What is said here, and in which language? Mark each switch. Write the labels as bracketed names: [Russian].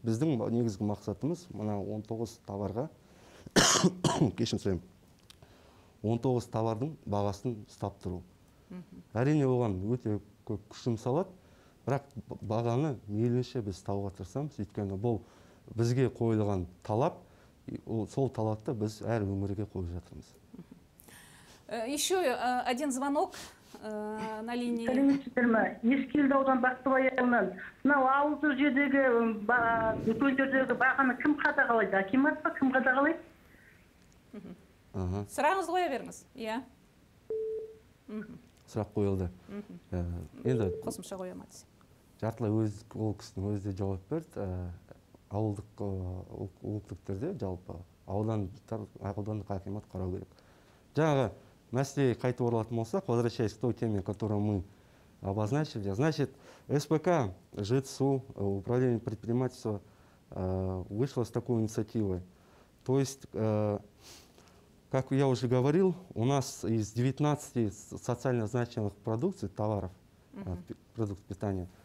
[Kazakh] Біздің негізгі мақсатымыз мына 19 товарға, кешім сұраймын, 19 товардың бағасын ұстап тұру. Әрине оған өте көп күшім салады, бірақ бағаны мейлінше біз табуға тырысамыз, өйткені бұл бізге қойылған талап, сол талапты біз әр өңірге қойып жатырмыз. [Russian] Еще один звонок на линии. [Kazakh] Сәлеметсіздер ме? Ескелді аудан Бақтыбайұлынан. Мынау ауылды жердегі дүкендердегі бағаны кім қадағалайды? Акимат па, кім қадағалайды? Сұрағыңызды қоя беріңіз. Иә. Сұрақ қойылды. Қосымша қоя ма десе. Жартылай ол кісінің өзі де жауап берді. Ауылдық округтерде жалпы аудандық акимат қарау керек. Жаңағы мәселе қайтып оралатын болсақ, [Russian] возвращаясь к той теме, которую мы обозначили. Значит, СПК, ЖЦУ, управление предпринимательства вышло с такой инициативой. То есть, как я уже говорил, у нас из 19 социально значимых продукций, товаров, продуктов питания.